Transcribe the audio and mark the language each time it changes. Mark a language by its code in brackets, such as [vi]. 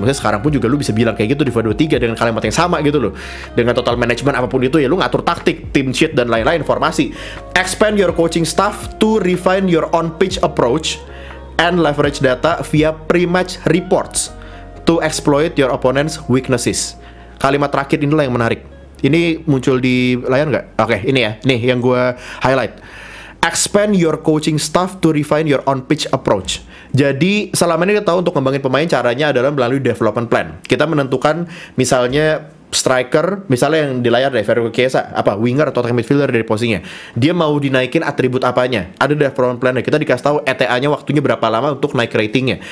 [id] Maksudnya sekarang pun juga lu bisa bilang kayak gitu di FIFA 23 dengan kalimat yang sama gitu loh. Dengan total management apapun itu ya, lu ngatur taktik, team sheet, dan lain-lain, formasi. [en] Expand your coaching staff to refine your on-pitch approach and leverage data via pre-match reports to exploit your opponent's weaknesses. [id] Kalimat terakhir inilah yang menarik. Ini muncul di layar nggak? Oke, ini ya. Nih, yang gue highlight. [en] Expand your coaching staff to refine your on-pitch approach. [id] Jadi, selama ini kita tahu untuk ngembangin pemain caranya adalah melalui development plan. Kita menentukan, misalnya, striker, misalnya yang di layar deh, Ferko Chiesa, apa, winger atau attacking midfielder dari posisinya. Dia mau dinaikin atribut apanya. Ada development plan, kita dikasih tahu ETA-nya waktunya berapa lama untuk naik ratingnya.